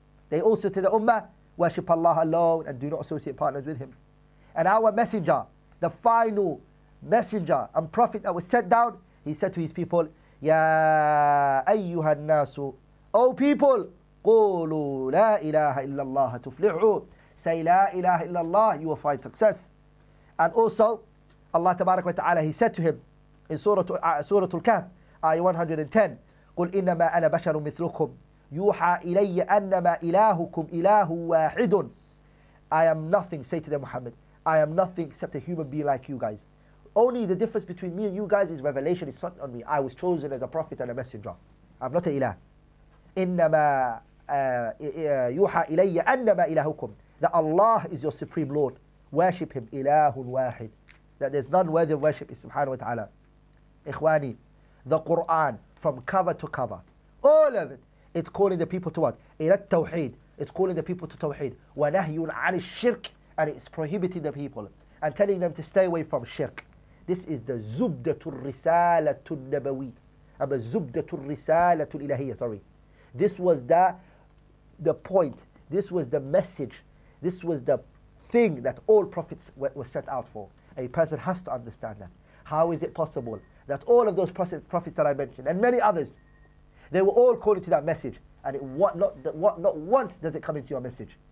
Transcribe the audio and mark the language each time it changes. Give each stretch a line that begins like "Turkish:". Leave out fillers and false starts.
English: They all say to the ummah, worship Allah alone and do not associate partners with him. And our messenger, the final messenger and prophet that was sent down, he said to his people, Ya ayyuha nasu, O people,
Arabic: قولوا لا إله إلا الله تفلحوا.
English: Say
Arabic: لا إله إلا الله,
English: you will find success.
Arabic: And also, Allah تبارك وتعالى,
English: he said to him in Surah Al-Kahf, ayah 110,
Arabic: قل إنما أنا بشر مثلكم يوحى إلي أنما إلهكم إله واحد.
English: I am nothing, say to them Muhammad, I am nothing except a human being like you guys. Only the difference between me and you guys is revelation, it's not on me. I was chosen as a prophet and a messenger. I'm not an إله.
Arabic: إنما يوحى إلي أنما إلهكم.
English: That Allah is your supreme Lord. Worship him,
Arabic: إله واحد.
English: That there's none worthy of worship is
Arabic: سبحانه وتعالى.
English: إخواني, the Quran, from cover to cover, all of it, it's calling the people to what?
Arabic: إلى التوحيد.
English: It's calling the people to
Arabic: توحيد. وَنَهْيٌ عَنِ الشِّرْكِ.
English: And it's prohibiting the people and telling them to stay away from shirk. This is the
Arabic: زبدة الرسالة النبوي. أما زبدة الرسالة الإلهية, sorry.
English: This was the point. This was the message. This was the thing that all prophets were set out for. A person has to understand that. How is it possible that all of those prophets that I mentioned and many others, they were all calling to that message, and not once does it come into your message.